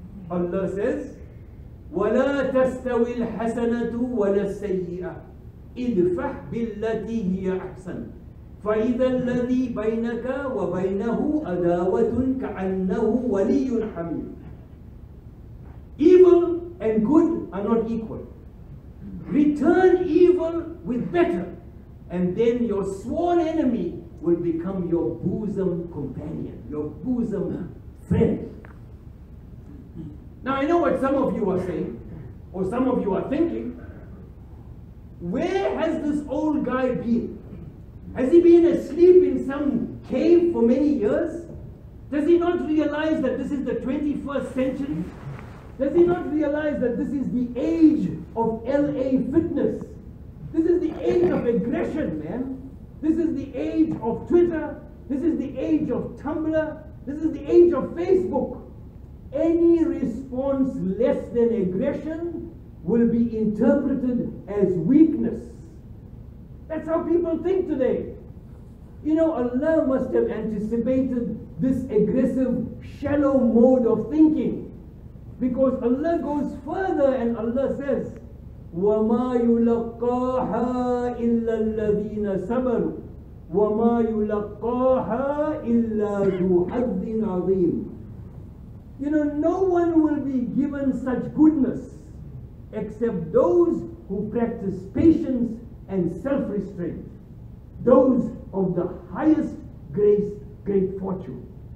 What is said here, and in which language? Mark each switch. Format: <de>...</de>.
<en>Allah says,</en> <ar>وَلَا تَسْتَوِي الْحَسَنَةُ وَلَا السَّيِّئَةُ اِدْفَحْ بِالَّتِي هِيَ أَحْسَنُ فَإِذَا الَّذِي بَيْنَكَ وَبَيْنَهُ أَدَاوَةٌ كَعَنَّهُ وَلِيٌّ حَمِيمٌ.</ar> <en>Evil and good are not equal. Return evil with better, and then your sworn enemy will become your bosom companion, your bosom friend. Now I know what some of you are saying, or some of you are thinking. Where has this old guy been? Has he been asleep in some cave for many years? Does he not realize that this is the 21st century? Does he not realize that this is the age of LA fitness? This is the age of aggression, man. This is the age of Twitter. This is the age of Tumblr. This is the age of Facebook. Any response less than aggression will be interpreted as weakness. That's how people think today. You know, Allah must have anticipated this aggressive, shallow mode of thinking. Because Allah goes further and Allah says,</en> <ar>وَمَا يُلَقَّاهَا إِلَّا الَّذِينَ صَبَرُوا وَمَا يُلَقَّاهَا إِلَّا ذُو حَظٍّ عَظِيمٍ.</ar> <en>You know, no one will be given such goodness except those who practice patience and self-restraint, those of the highest grace, great fortune.</en>